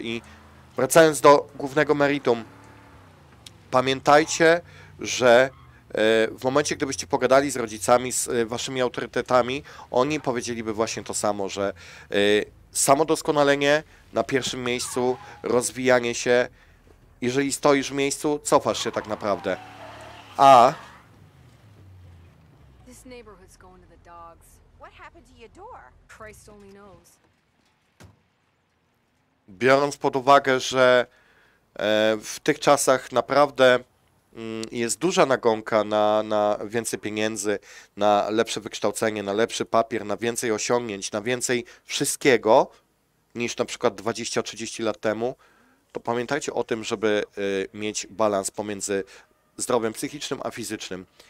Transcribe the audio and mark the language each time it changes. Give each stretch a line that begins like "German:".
Polish: I wracając do głównego meritum, pamiętajcie, że w momencie, gdybyście pogadali z rodzicami, z waszymi autorytetami, oni powiedzieliby właśnie to samo, że samodoskonalenie na pierwszym miejscu, rozwijanie się, jeżeli stoisz w miejscu, cofasz się tak naprawdę. A...
English: This neighborhood's going to the dogs. What happened to your door? Christ only knows.
Polish: Biorąc pod uwagę, że w tych czasach naprawdę jest duża nagonka na więcej pieniędzy, na lepsze wykształcenie, na lepszy papier, na więcej osiągnięć, na więcej wszystkiego niż na przykład 20-30 lat temu, to pamiętajcie o tym, żeby mieć balans pomiędzy zdrowiem psychicznym a fizycznym.